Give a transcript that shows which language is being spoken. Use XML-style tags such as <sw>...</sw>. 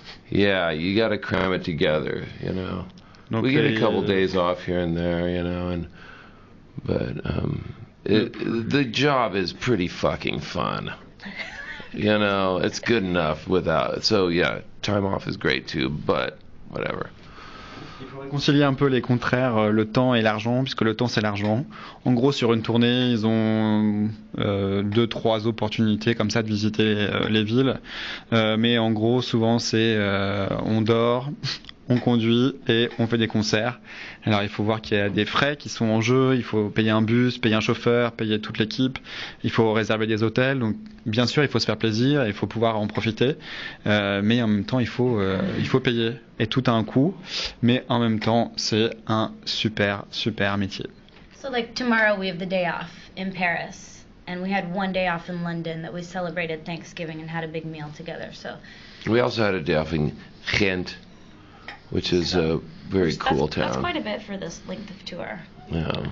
<en>Yeah, you got to cram it together, Okay. We get a couple days off here and there, but the job is pretty fucking fun. It's good enough without it. So yeah, time off is great too, but whatever.</en> <fr>Concilier un peu les contraires, le temps et l'argent, puisque le temps c'est l'argent. En gros, sur une tournée, ils ont 2-3 opportunités comme ça de visiter les villes, mais en gros, souvent c'est on dort, on conduit et on fait des concerts. Alors il faut voir qu'il y a des frais qui sont en jeu, il faut payer un bus, payer un chauffeur, payer toute l'équipe, il faut réserver des hôtels. Donc bien sûr, il faut se faire plaisir, il faut pouvoir en profiter, mais en même temps, il faut payer. Et tout a un coût, mais en même temps, c'est un super, super métier.</fr> <en>So like tomorrow we have the day off in Paris and we had one day off in London that we celebrated Thanksgiving and had a big meal together. So we also had a day off in Ghent, which is a very cool town. That's quite a bit for this length of tour. Yeah.</en>